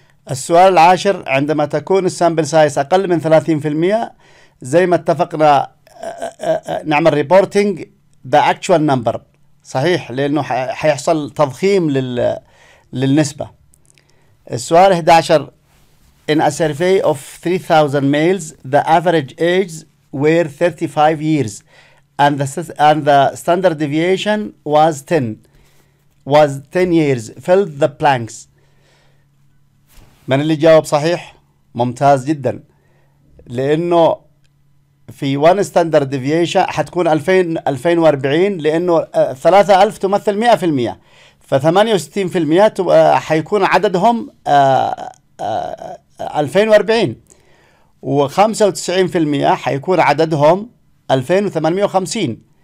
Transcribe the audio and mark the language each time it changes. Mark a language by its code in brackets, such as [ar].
[ar] السؤال العاشر: عندما تكون السامبل سايز أقل من 30% زي ما اتفقنا نعمل [en] reporting the actual number. [ar] صحيح، لأنه حيحصل تضخيم للنسبة. [en] السؤال 11: in a survey of 3000 males the average age were 35 years and the standard deviation was 10 years. Fill the blanks. [ar] من اللي جاوب صحيح؟ ممتاز جدا، لأنه في 1 standard deviation حتكون 2040، لأنه 3000 تمثل 100%، ف 68% حيكون عددهم 2040، و 95% حيكون عددهم 2850.